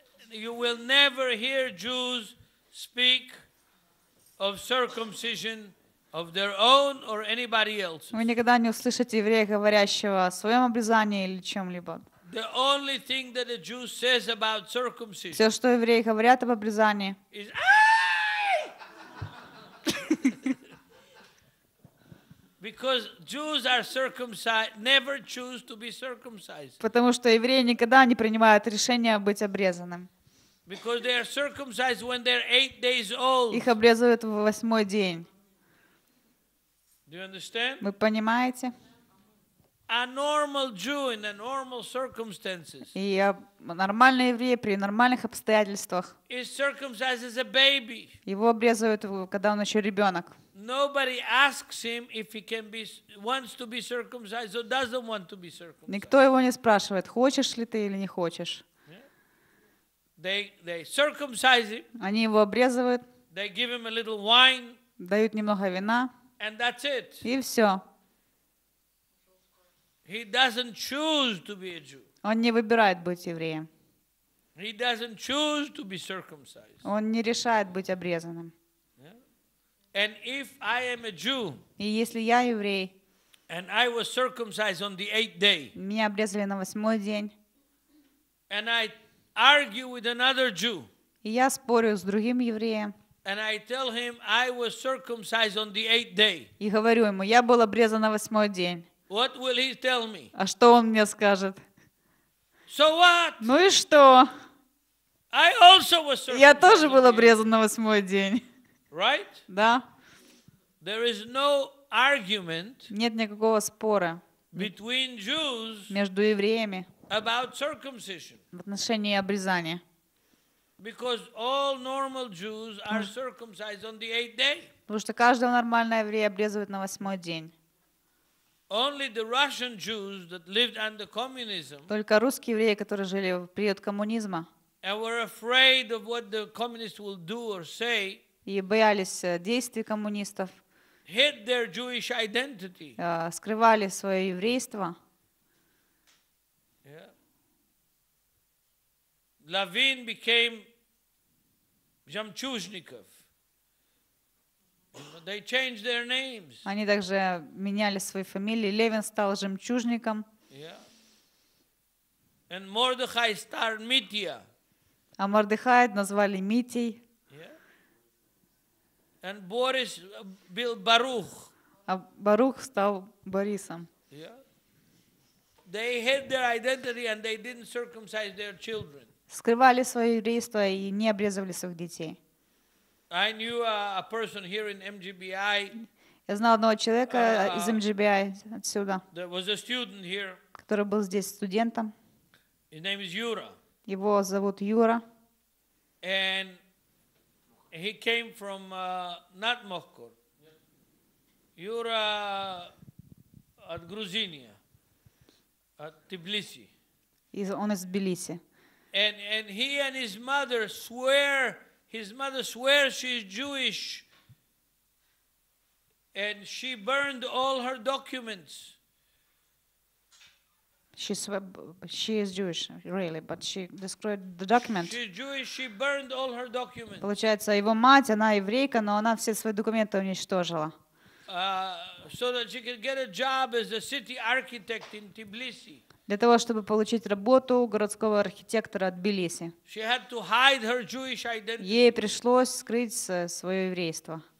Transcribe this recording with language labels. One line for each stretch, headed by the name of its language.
English: You will never hear Jews speak of circumcision of their own or anybody else's.
Russian: Вы никогда не услышите еврея, говорящего о своем обрезании или чем-либо.
English: The only thing that a Jew says about circumcision.
Russian: Все, что евреи говорят об обрезании.
English: Is because Jews are circumcised, never choose to be circumcised.
Russian: Потому что евреи никогда не принимают решение быть обрезанным.
English: Because they are circumcised when they're 8 days old.
Russian: Их обрезают в восьмой день.
English: Do you understand?
Russian: Вы понимаете?
English: A normal Jew in the normal circumstances.
Russian: И нормальный еврей при нормальных обстоятельствах.
English: Is circumcised as a baby.
Russian: Его обрезают, когда он еще ребенок.
English: Nobody asks him if he can be wants to be circumcised or doesn't want to be circumcised.
Russian: Никто его не спрашивает, хочешь ли ты или не хочешь.
English: They circumcise him.
Russian: Они его обрезывают.
English: They give him a little wine.
Russian: Дают немного вина.
English: And that's it.
Russian: И все.
English: He doesn't choose to be a Jew.
Russian: Он не выбирает быть евреем.
English: He doesn't choose to be circumcised.
Russian: Он не решает быть обрезанным.
English: And if I am a Jew.
Russian: И если я еврей.
English: And I was circumcised on the eighth day.
Russian: Меня обрезали на восьмой день.
English: And I argue with another Jew.
Russian: Я спорю с другим евреем.
English: And I tell him I was circumcised on the eighth day.
Russian: И говорю ему, я был обрезан на восьмой день.
English: What will he tell me?
Russian: А что он мне скажет?
English: So what?
Russian: Ну и что?
English: I also was circumcised.
Russian: Я тоже был обрезан на восьмой день.
English: Right?
Russian: Да.
English: There is no argument.
Russian: Нет никакого спора.
English: Between Jews.
Russian: Между евреями.
English: About circumcision.
Russian: В отношении обрезания.
English: Because all normal Jews are circumcised on the eighth day.
Russian: Потому что каждого нормального еврея обрезывают на восьмой день.
English: Only the Russian Jews that lived under communism.
Russian: Только русские евреи, которые жили в период коммунизма.
English: And were afraid of what the communists will do or say.
Russian: И боялись действий коммунистов.
English: Hid their Jewish identity.
Russian: Скрывали свое еврейство.
English: Lavin became Jamchuznikov. They changed their names.
Russian: Они также меняли свои фамилии. Левин стал Жемчужником.
English: Yeah. And Mordechai star Mitya.
Russian: А Мордехая назвали Митей.
English: Yeah. And Boris
Russian: был
English: Барух.
Russian: А Барух стал Борисом.
English: Yeah. They hid their identity and they didn't circumcise their children.
Russian: Скрывали свое еврейство и не обрезывали своих детей.
English: I knew a person here in MGBI.
Russian: Я знал одного человека из MGBI отсюда.
English: There was a student here.
Russian: Который был здесь студентом.
English: His name is Yura.
Russian: Его зовут Юра.
English: And he came from not Mohkor.
Russian: Yura от Грузиния, от Тбилиси. Он из Тбилиси.
English: And he and his mother swear. His mother swears she is Jewish, and she burned all her documents. She is Jewish, really, but she destroyed the documents. She is Jewish. She burned all her documents.
Russian: Получается, его мать, она еврейка, но она все свои документы уничтожила.
English: So that she could get a job as a city architect in Tbilisi.
Russian: Для того, чтобы получить работу городского архитектора от Тбилиси.
English: She had to hide her Jewish identity.
Russian: Ей пришлось скрыть свое еврейство.